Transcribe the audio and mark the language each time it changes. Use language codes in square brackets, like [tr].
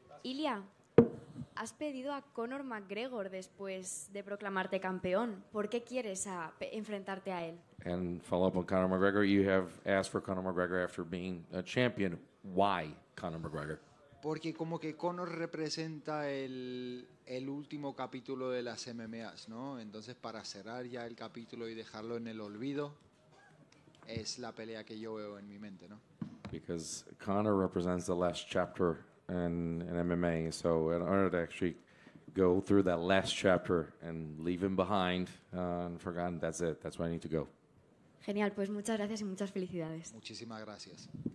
[es] Ilia, has pedido a Conor McGregor después de proclamarte campeón. ¿Por qué quieres enfrentarte a él? [en] And follow up on Conor McGregor. You have asked for Conor McGregor after being a champion. Why Conor McGregor? [es] Porque como que Conor representa el último capítulo de las MMAs, ¿no? Entonces, para cerrar ya el capítulo y dejarlo en el olvido, es la pelea que yo veo en mi mente, ¿no? [en] Because Conor represents the last chapter in MMA, so in order to actually go through that last chapter and leave him behind and forgotten, that's it. That's where I need to go. [es] Genial, pues muchas gracias y muchas felicidades. Muchísimas gracias.